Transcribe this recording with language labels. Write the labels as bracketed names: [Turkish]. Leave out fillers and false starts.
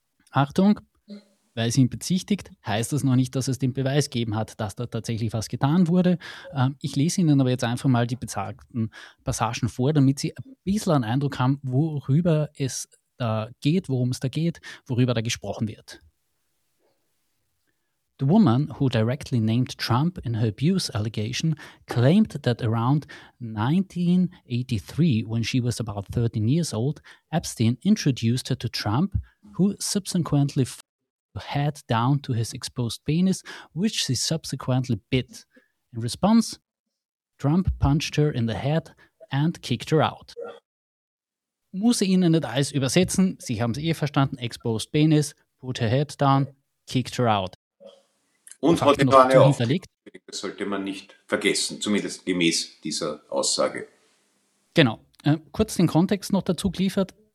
[German] Achtung, weil sie ihn bezichtigt, heißt das noch nicht, dass es den Beweis gegeben hat, dass da tatsächlich was getan wurde. Ich lese Ihnen aber jetzt einfach mal die besagten Passagen vor, damit Sie ein bisschen einen Eindruck haben, worüber es da geht, worum es da geht, worüber da gesprochen wird. [English] The woman who directly named Trump in her abuse allegation claimed that around 1983, when she was about 13 years old, Epstein introduced her to Trump, who subsequently head down to his exposed penis, which she subsequently bit. In response, Trump punched her in the head and kicked her out. [German] Muss ich Ihnen nicht alles übersetzen, Sie haben es eh verstanden, [English] exposed penis, put her head down, kicked her out. [German] Und hat die Bahne auch hinterlegt. Das sollte man nicht vergessen, zumindest gemäß dieser Aussage. Genau. Kurz den Kontext noch dazu geliefert.